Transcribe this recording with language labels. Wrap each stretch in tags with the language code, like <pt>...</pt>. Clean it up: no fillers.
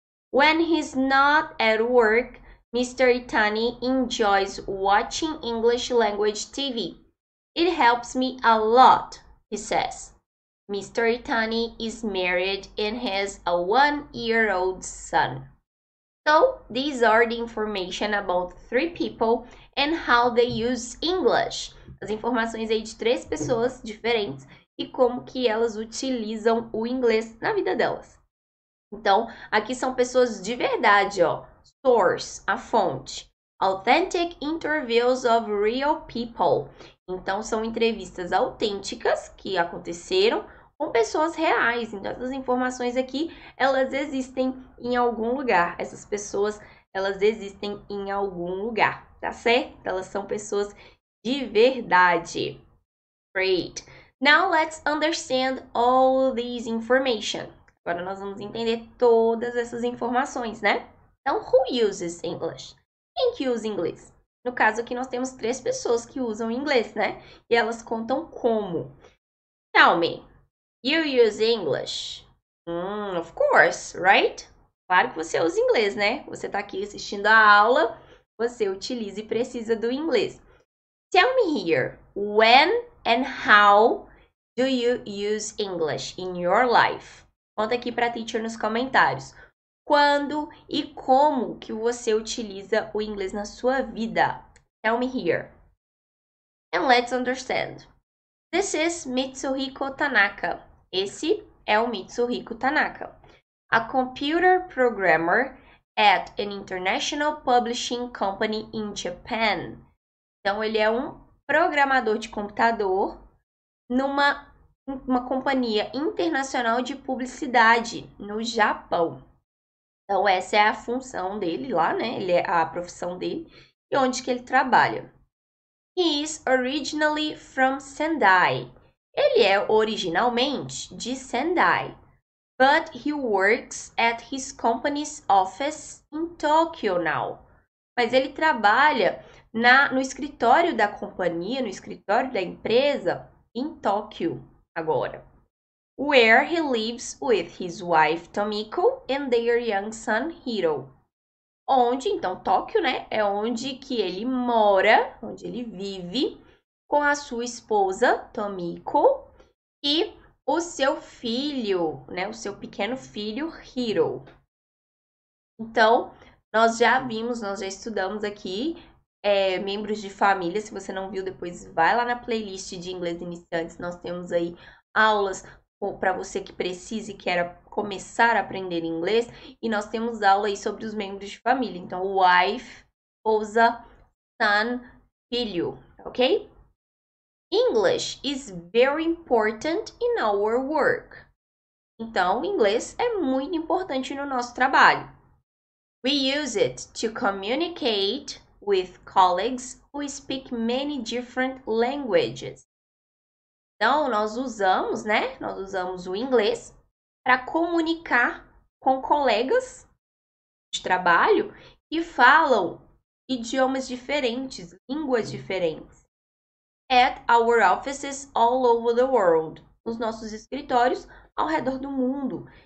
<en>When he's not at work, Mr. Itani enjoys watching English language TV, It helps me a lot, he says. Mr. Itani is married and has a one-year-old son. So, these are the information about three people and how they use English.</en> <pt>As informações aí de três pessoas diferentes e como que elas utilizam o inglês na vida delas. Então, aqui são pessoas de verdade, ó. Source, a fonte.</pt> <en>Authentic interviews of real people.</en> <pt>Então, são entrevistas autênticas que aconteceram com pessoas reais. Então, essas informações aqui, elas existem em algum lugar. Essas pessoas, elas existem em algum lugar, tá certo? Elas são pessoas de verdade.</pt> <en>Great. Now, let's understand all these information.</en> <pt>Agora, nós vamos entender todas essas informações, né? Então,</pt> <en>who uses English?</en> <pt>Quem que usa inglês? No caso aqui, nós temos três pessoas que usam inglês, né? E elas contam como.</pt> <en>Tell me. You use English? Of course, right?</en> <pt>Claro que você usa inglês, né? Você está aqui assistindo a aula, você utiliza e precisa do inglês.</pt> <en>Tell me here, when and how do you use English in your life?</en> <pt>Conta aqui para a teacher nos comentários. Quando e como que você utiliza o inglês na sua vida?</pt> <en>Tell me here. And let's understand. This is Mitsuhiko Tanaka.</en> <pt>Esse é o Mitsuhiko Tanaka,</pt> <en>a computer programmer at an international publishing company in Japan.</en> <pt>Então, ele é um programador de computador numa companhia internacional de publicidade no Japão. Então, essa é a função dele lá, né? Ele é a profissão dele e onde que ele trabalha.</pt> <en>He is originally from Sendai.</en> <pt>Ele é originalmente de Sendai,</pt> <en>but he works at his company's office in Tokyo now.</en> <pt>Mas ele trabalha no escritório da companhia, no escritório da empresa, em Tóquio, agora.</pt> <en>Where he lives with his wife Tomiko and their young son Hiro.</en> <pt>Onde, então, Tóquio, né? É onde que ele mora, onde ele vive com a sua esposa Tomiko. E o seu filho, né, o seu pequeno filho, Hiro. Então, nós já estudamos aqui, membros de família. Se você não viu, depois vai lá na playlist de inglês iniciantes. Nós temos aí aulas para você que precisa e quer começar a aprender inglês. E nós temos aula aí sobre os membros de família. Então, wife, esposa, son, filho, ok?</pt> <en>English is very important in our work.</en> <pt>Então, o inglês é muito importante no nosso trabalho.</pt> <en>We use it to communicate with colleagues who speak many different languages.</en> <pt>Então, nós usamos, né? Nós usamos o inglês para comunicar com colegas de trabalho que falam idiomas diferentes, línguas diferentes.</pt> <en>At our offices all over the world.</en> <pt>Nos nossos escritórios ao redor do mundo.</pt>